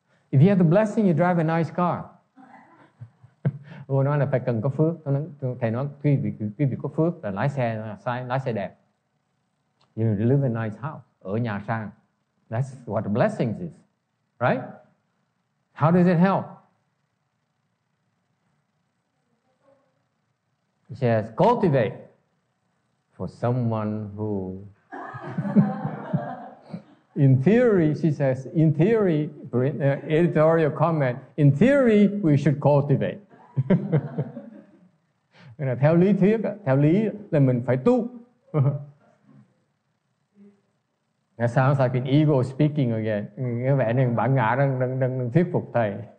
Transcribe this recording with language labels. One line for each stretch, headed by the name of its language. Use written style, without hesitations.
English: If you have the blessing, you drive a nice car.
Vietnamese: Cô nói là phải cần có phước. Thầy nói quý vị có phước là lái xe đẹp.
English: You live in a nice house.
Vietnamese: Ở nhà sang.
English: That's what the blessing is. Right? How does it help? He says, cultivate for someone who, in theory, she says, in theory, editorial comment, in theory, we should cultivate.
Vietnamese: Nên là theo lý thuyết, theo lý là mình phải tu.
English: That sounds like an ego speaking again.
Vietnamese: Nghe vẻ này bản ngã đang thuyết phục thầy.